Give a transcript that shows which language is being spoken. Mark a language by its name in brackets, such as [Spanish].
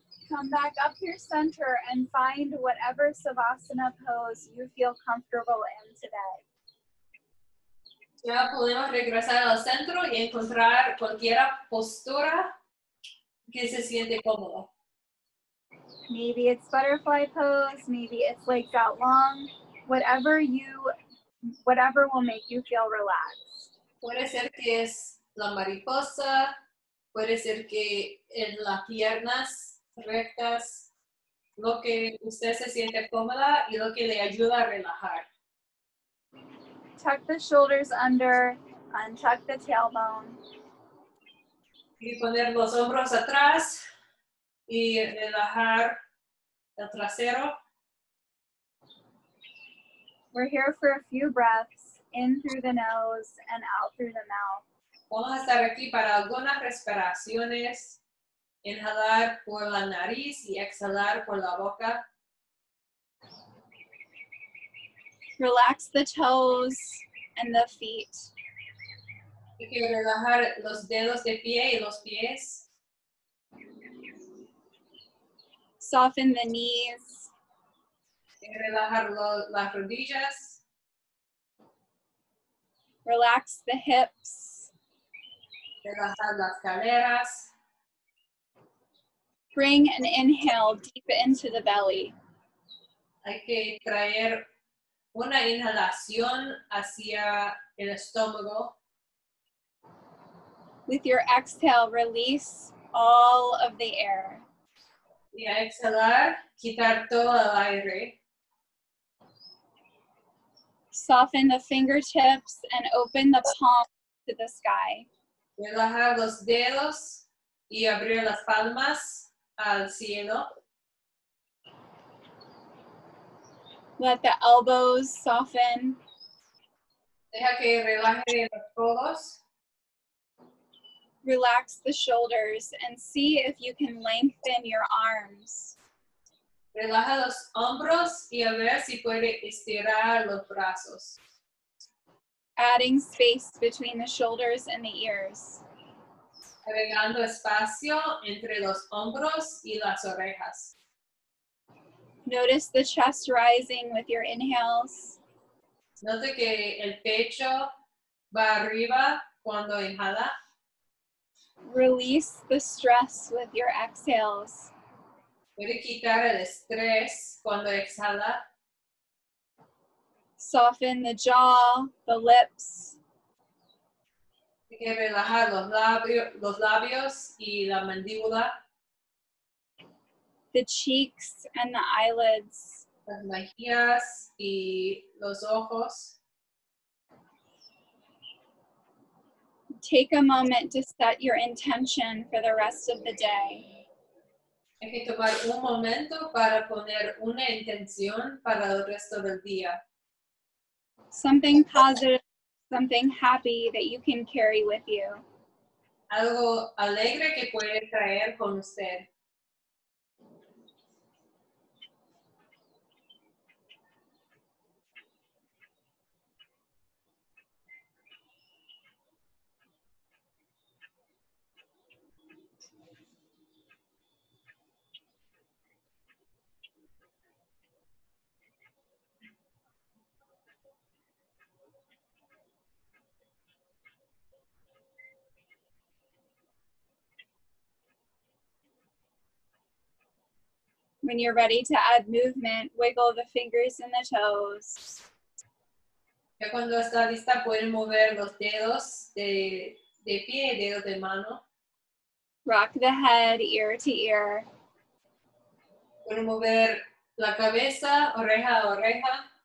[English] Come back up your center and find whatever savasana pose you feel comfortable in today. [Spanish] Ya podemos regresar al centro y encontrar cualquier postura que se siente cómodo. [English] Maybe it's butterfly pose, maybe it's legs out long, whatever will make you feel relaxed. [Spanish] Puede ser que es la mariposa, puede ser que en las piernas rectas, lo que usted se siente cómoda y lo que le ayuda a relajar. [English] Tuck the shoulders under, untuck the tailbone. [Spanish] Y poner los hombros atrás y relajar el trasero. [English] We're here for a few breaths, in through the nose and out through the mouth. [Spanish] Vamos a estar aquí para algunas respiraciones. Inhalar por la nariz y exhalar por la boca. [English] Relax the toes and the feet. [Spanish] Hay que relajar los dedos de pie y los pies. [English] Soften the knees. [Spanish] Hay que relajar las rodillas. [English] Relax the hips. [Spanish] Relajar las caderas. [English] Bring an inhale deep into the belly. [Spanish] Hay que traer una inhalación hacia el estómago. [English] With your exhale, release all of the air. [Spanish] Y a exhalar, quitar todo el aire. [English] Soften the fingertips and open the palms to the sky. [Spanish] Relajar los dedos y abrir las palmas. Al cielo. [English] Let the elbows soften. [Spanish] Deja que relaje los codos. [English] Relax the shoulders and see if you can lengthen your arms. [Spanish] Relaja los hombros y a ver si puede estirar los brazos. [English] Adding space between the shoulders and the ears. [Spanish] Agregando espacio entre los hombros y las orejas. [English] Notice the chest rising with your inhales. [Spanish] Note que el pecho va arriba cuando inhala. [English] Release the stress with your exhales. [Spanish] Puede quitar el estrés cuando exhala. [English] Soften the jaw, the lips. [Spanish] Hay que relajar los labios y la mandíbula. [English] The cheeks and the eyelids. [Spanish] Las mejillas y los ojos. [English] Take a moment to set your intention for the rest of the day. [Spanish] Hay que tomar un momento para poner una intención para el resto del día. [English] Something positive, something happy that you can carry with you. [Spanish] Algo alegre que puede traer con usted. [English] When you're ready to add movement, wiggle the fingers and the toes. [Spanish] Ya cuando está lista, pueden mover los dedos de pie, dedos de mano. [English] Rock the head, ear to ear. [Spanish] Pueden mover la cabeza, oreja a oreja.